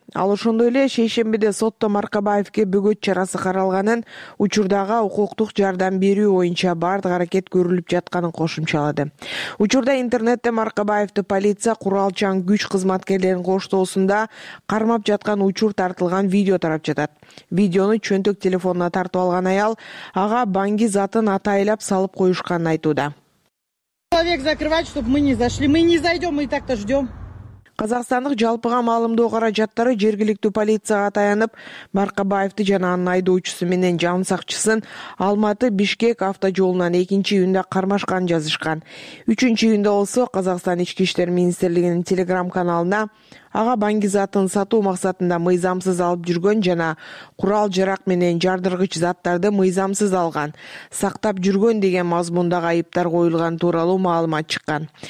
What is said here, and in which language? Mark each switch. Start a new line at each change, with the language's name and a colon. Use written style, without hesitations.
Kyrgyz: Ал ошондой эле шейшембиде сотто Маркабаевге бөгөт чарасы каралганын, учурдагы укуктук жардам берүү боюнча бардык аракет көрүлүп жатканын кошумчалады. Учурда интернетте Маркабаевди полиция куралчан күч кызматкерлерин коштоосунда кармап жаткан учур тартылган видео тарап жатат. Видеону чөнтөк телефонуна тартып алган аял ага баңги затын атайлап салып коюшканын айтууда.
Russian: Человек закрывать, чтобы мы не зашли. Мы не зайдем, мы и так-то ждем.
Kyrgyz: Казакстандык жалпыга маалымдоо каражаттары жергиликтүү полицияга таянып, Маркабаевди жана анын айдоочусу менен жан сакчысын Алматы Бишкек автожолунан 2-июнда кармашканын жазышкан. 3-июнда болсо Казакстан ички иштер министрлигинин телеграм каналына ага баңги затын сатуу максатында мыйзамсыз алып жүргөн жана курал жарак менен жардыргыч заттарды мыйзамсыз алган, сактап жүргөн деген мазмундагы айыптар коюлган тууралуу маалымат чыккан.